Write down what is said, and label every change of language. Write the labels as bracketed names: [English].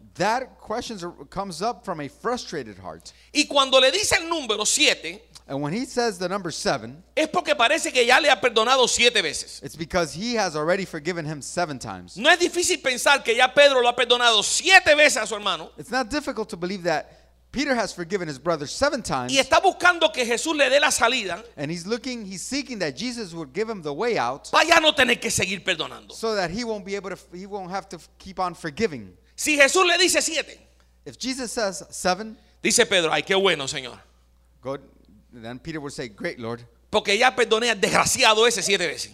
[English] That question comes up from a frustrated heart. [Spanish] Y cuando le dice el número 7, [English] and when he says the number 7, [Spanish] es porque parece que ya le ha perdonado 7 veces. [English] It's because he has already forgiven him 7 times. [Spanish] No es difícil pensar que ya Pedro lo ha perdonado 7 veces a su hermano. [English] It's not difficult to believe that Peter has forgiven his brother 7 times. [Spanish] Y está buscando que Jesús le dé la salida. [English] And he's seeking that Jesus would give him the way out. [Spanish] Para ya no tener que seguir perdonando. [English] So that he won't have to keep on forgiving. [Spanish] Si Jesús le dice 7. [English] If Jesus says 7. [Spanish] Dice Pedro, ay, qué bueno, Señor. [English] God, then Peter would say, great Lord. [Spanish] Porque ya perdoné al desgraciado ese 7 veces.